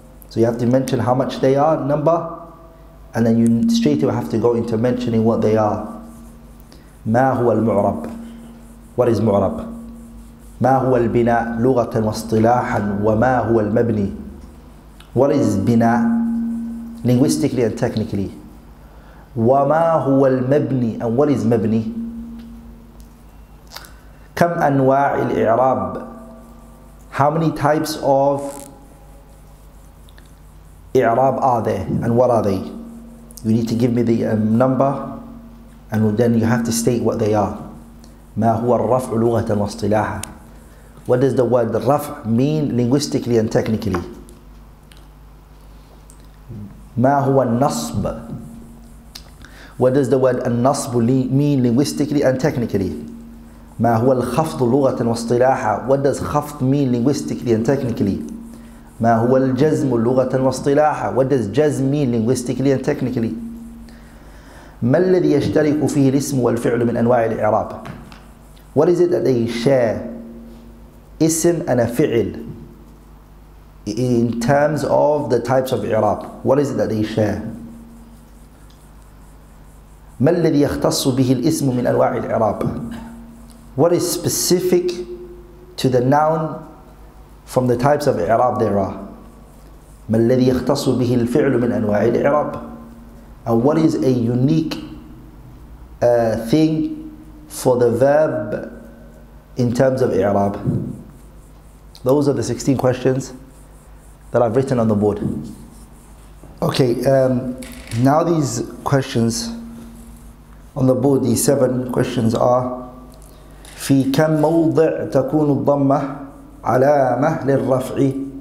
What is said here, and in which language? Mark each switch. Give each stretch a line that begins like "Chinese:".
English: So you have to mention how much they are, number, and then you straight away have to go into mentioning what they are.
Arabic: ما هو المعرب.
English: What is
Arabic: معرب. ما هو البناء لغة واصطلاحا وما هو المبني.
English: What is بناء linguistically and technically.
Arabic: وما هو المبني
English: and what is
Arabic: مبني. كم أنواع الإعراب.
English: How many types of إعراب are there and what are they? You need to give me the number and then you have to state what they are.
Arabic: ما هو الرفع لغة واصطلاحا.
English: What does the word رفع mean linguistically and technically?
Arabic: ما هو النصب.
English: What does the word النصب mean linguistically and technically?
Arabic: ما هو الخفض لغة واصطلاحا.
English: What does خفض mean linguistically and technically?
Arabic: ما هو الجزم لغة واصطلاحا.
English: What does جزم mean linguistically and technically?
Arabic: ما الذي يشترك فيه الاسم والفعل من أنواع الإعراب.
English: What is it that they share? اسم and a فعل. In terms of the types of إعراب. What is it that they share?
Arabic: ما الذي يختص به الاسم من أنواع الإعراب.
English: What is specific to the noun from the types of إعراب there are?
Arabic: ما الذي يختص به الفعل من أنواع الإعراب.
English: And what is a unique thing for the verb in terms of إعراب. Those are the 16 questions that I've written on the board. Okay, now these questions on the board, these 7 questions are
Arabic: في كم موضع تكون الضمة علامة للرفع.